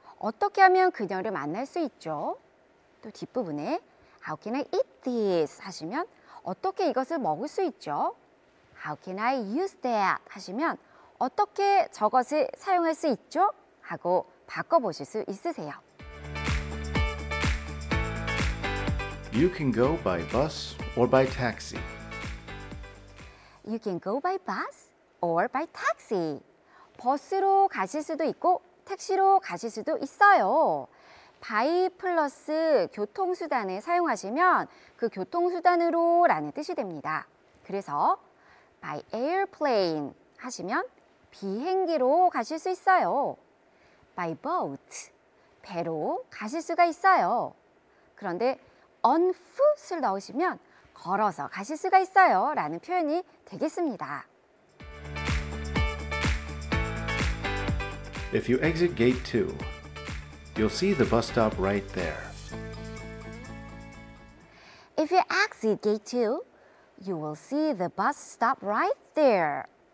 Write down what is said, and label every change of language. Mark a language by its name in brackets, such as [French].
[Korean] 어떻게 하면 그녀를 만날 수 있죠? 또 뒷부분에 [English] How can I eat this? [Korean] 하시면 어떻게 이것을 먹을 수 있죠? [English] How can I use that? [Korean] 하시면 어떻게 저것을 사용할 수 있죠? 하고 바꿔보실 수 있으세요. [English] You can go by bus or by taxi. You can go by bus or by taxi. [Korean] 버스로 가실 수도 있고 택시로 가실 수도 있어요. by 플러스 교통수단을 사용하시면 그 교통수단으로 라는 뜻이 됩니다. 그래서 [English] by airplane [Korean] 하시면 비행기로 가실 수 있어요. [English] by boat, [Korean] 배로 가실 수가 있어요. 그런데 [English] on foot [Korean] 을 넣으시면 걸어서 가실 수가 있어요 라는 표현이 되겠습니다. [English] If you exit gate 2, you'll see the bus stop right there. If you exit gate 2, you will see the bus stop right there.